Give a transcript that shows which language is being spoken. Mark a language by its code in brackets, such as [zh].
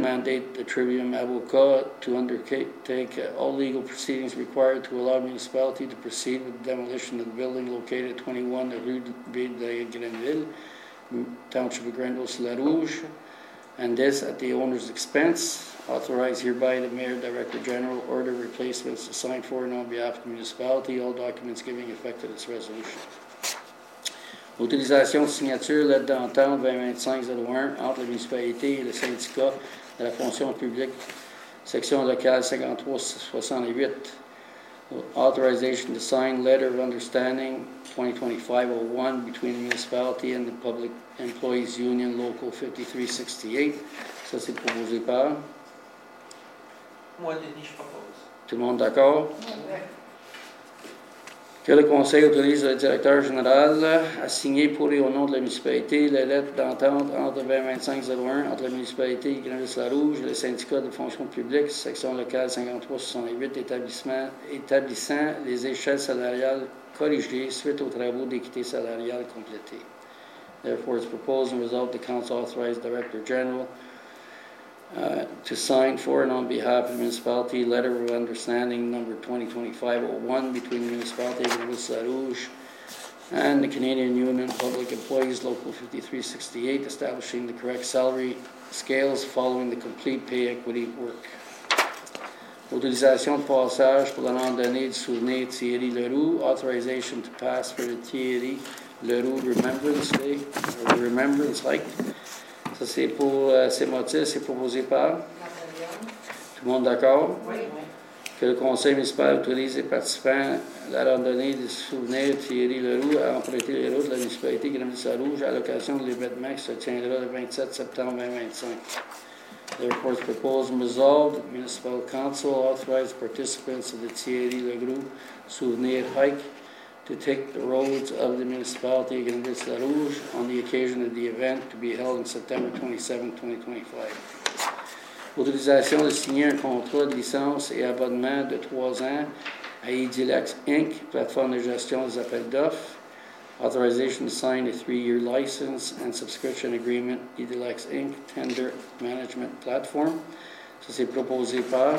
[en] Mandate the Trivium Avocat to undertake all legal proceedings required to allow the municipality to proceed with the demolition of the building located at 21 Rue de Grenville. Township of Grenville-sur-la-Rouge, and this at the owner's expense. Authorize hereby the mayor, director general, order replacements to sign for and on behalf of the municipality, all documents giving effect to this resolution. [fr] Utilisation de signature, lettre d'entente 2025-01 entre la municipalité et le syndicat de la fonction publique, section locale 5368. [en] Authorization to sign letter of understanding 2025-01 between the municipality and the public employees union local 5368. [fr] Ça, c'est proposé par? Moi, Denis, je propose. Tout le monde d'accord? Oui. Que le conseil autorise le directeur général à signer pour et au nom de la municipalité la lettre d'entente entre 2025-01 entre la municipalité de Grenville-sur-la-Rouge et le syndicat de fonction publique, section locale 5368, établissant les échelles salariales corrigées suite aux travaux d'équité salariale complétée. [en] Therefore, it's proposed and resolved the council authorize director general to sign for and on behalf of the municipality letter of understanding number 2025-01 between the municipality of Grenville-sur-la-Rouge and the Canadian Union Public Employees Local 5368, establishing the correct salary scales following the complete pay equity work. [fr] Autorisation de passage pour la randonnée du souvenir Thierry Leroux. [en] Authorization to pass for the Thierry Leroux Remembrance Day, or the Remembrance Hike. [fr] Ça, c'est pour ces motifs, c'est proposé par? Tout le monde d'accord? Oui. Que le conseil municipal autorise les participants à la randonnée du souvenir Thierry Leroux à emprunter les routes de la municipalité Grenville-sur-la-Rouge à l'occasion de l'événement qui se tiendra le 27 septembre 2025. [en] Therefore, it's proposed and resolved. Municipal Council authorized participants of the Thierry Leroux Souvenir Hike to take the roads of the municipality of Grenville-sur-la-Rouge on the occasion of the event to be held on September 27, 2025. [fr] Autorisation de signer un contrat de licence et abonnement de 3 ans à Edilex Inc., plateforme de gestion des appels d'offres. [en] Authorization to sign a 3-year license and subscription agreement, Edilex Inc., tender management platform. [fr] Ça, c'est proposé par?